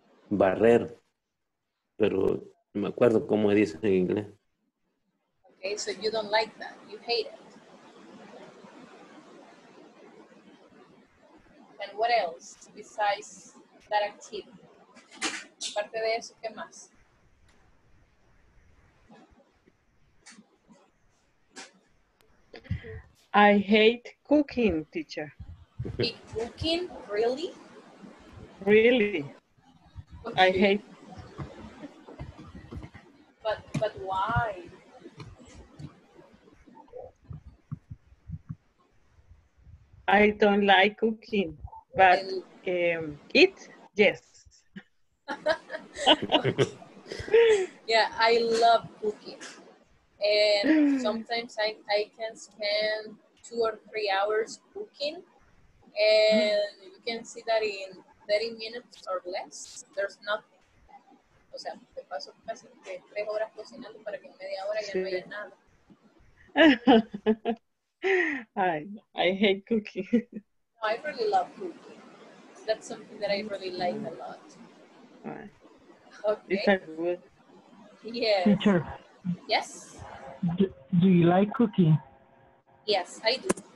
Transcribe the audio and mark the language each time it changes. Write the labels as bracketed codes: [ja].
[es] barrer, pero no me acuerdo cómo dice en inglés. [en] Okay, so you don't like that, you hate it. And what else besides that activity? [es] Aparte de eso, ¿qué más? [en] I hate cooking, teacher. Cooking? Really? Really. Okay. I hate. But why? I don't like cooking, but eat, yes. Yeah, I love cooking. And sometimes I can spend 2 or 3 hours cooking, and you can see that in 30 minutes or less, there's nothing. [es] O sea, te paso casi 3 horas cocinando para que en media hora ya no haya nada. [en] I hate cooking. No, I really love cooking. That's something that I really like a lot. Okay. Is that good? Yes. Teacher. Yes? Do you like cooking? Yes, I do.